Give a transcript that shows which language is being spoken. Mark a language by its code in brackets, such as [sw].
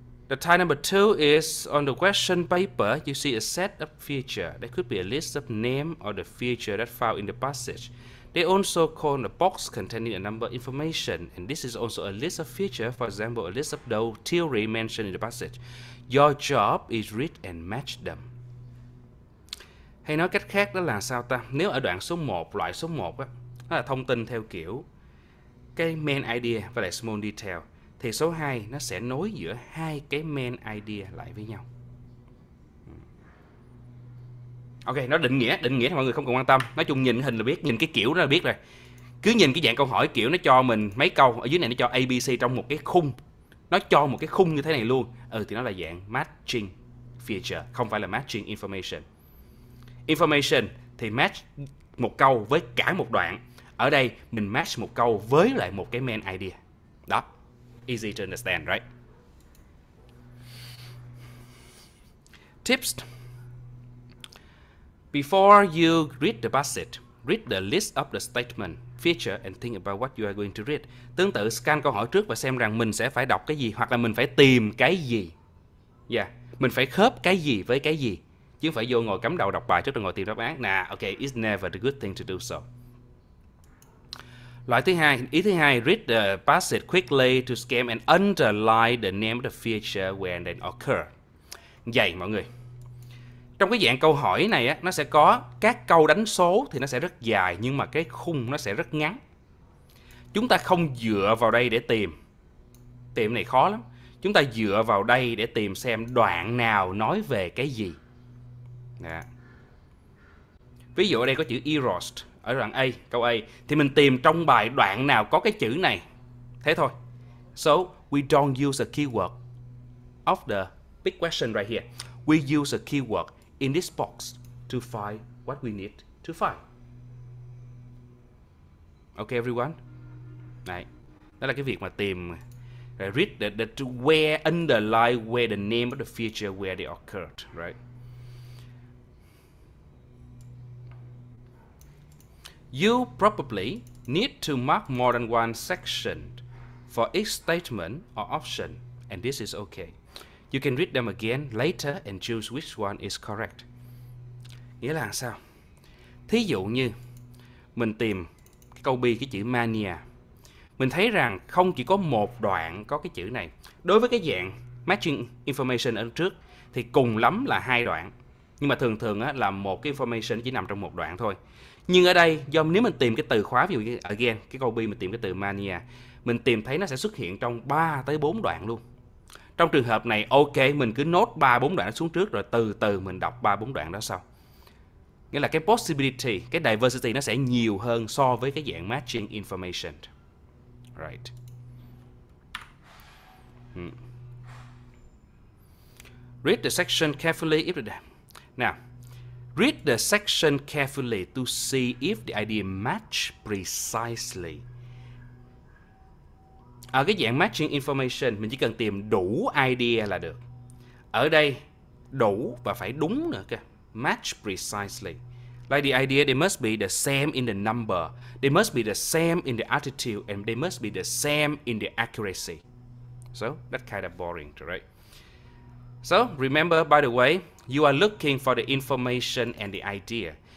[en] The type number two is on the question paper, you see a set of feature. That could be a list of name or the feature that found in the passage. They also call the box containing a number of information. And this is also a list of feature, for example, a list of those theory mentioned in the passage. Your job is read and match them. [vi] Hay nói cách khác đó là sao ta? Nếu ở đoạn số 1, loại số 1 á, nó là thông tin theo kiểu cái main idea và lại small detail, thì số 2 nó sẽ nối giữa hai cái main idea lại với nhau. Ok, nó định nghĩa mọi người không cần quan tâm. Nói chung nhìn hình là biết, nhìn cái kiểu nó là biết rồi. Cứ nhìn cái dạng câu hỏi kiểu nó cho mình mấy câu, ở dưới này nó cho ABC trong một cái khung. Nó cho một cái khung như thế này luôn. Ừ, thì nó là dạng matching feature, không phải là matching information. Information thì match một câu với cả một đoạn. Ở đây mình match một câu với lại một cái main idea. [en] Đó. Easy to understand, right? Tips. Before you read the passage, read the list of the statement, feature and think about what you are going to read. [vi] Tương tự, scan câu hỏi trước và xem rằng mình sẽ phải đọc cái gì hoặc là mình phải tìm cái gì. Yeah, mình phải khớp cái gì với cái gì. Chứ không phải vô ngồi cắm đầu đọc bài trước rồi ngồi tìm đáp án. [en] Nah, okay, it's never the good thing to do so. [vi] Loại thứ hai, ý thứ hai, [en] read the passage quickly to skim and underline the name of the feature when they occur. [vi] Vậy mọi người, trong cái dạng câu hỏi này á, nó sẽ có các câu đánh số thì nó sẽ rất dài nhưng mà cái khung nó sẽ rất ngắn. Chúng ta không dựa vào đây để tìm. Tìm này khó lắm. Chúng ta dựa vào đây để tìm xem đoạn nào nói về cái gì. Đã. Ví dụ ở đây có chữ Eros ở đoạn A, câu A. Thì mình tìm trong bài đoạn nào có cái chữ này. Thế thôi. [en] So, we don't use a keyword of the big question right here. We use a keyword in this box to find what we need to find. Okay, everyone? [vi] Này, đó là cái việc mà tìm, [en] read the where, underline where the name of the feature where they occurred, right? You probably need to mark more than one section for each statement or option, and this is okay. You can read them again later and choose which one is correct. [vi] Nghĩa là sao? Thí dụ như mình tìm cái câu B, cái chữ mania. Mình thấy rằng không chỉ có một đoạn có cái chữ này. Đối với cái dạng matching information ở trước thì cùng lắm là hai đoạn. Nhưng mà thường thường á, là một cái information chỉ nằm trong một đoạn thôi. Nhưng ở đây, do nếu mình tìm cái từ khóa, ví dụ như again, cái câu B mình tìm cái từ mania, mình tìm thấy nó sẽ xuất hiện trong 3-4 đoạn luôn. Trong trường hợp này, ok, mình cứ nốt 3-4 đoạn xuống trước rồi từ từ mình đọc 3-4 đoạn đó sau. Nghĩa là cái possibility, cái diversity nó sẽ nhiều hơn so với cái dạng matching information. [en] Right. Read the section carefully if it... Now, read the section carefully to see if the idea match precisely. [vi] Ở cái dạng matching information, mình chỉ cần tìm đủ idea là được. Ở đây, đủ và phải đúng nữa kìa. [en] Match precisely. Like the idea, they must be the same in the number. They must be the same in the attitude. And they must be the same in the accuracy. So, that's kind of boring, right? So, remember, by the way, you are looking for the information and the idea.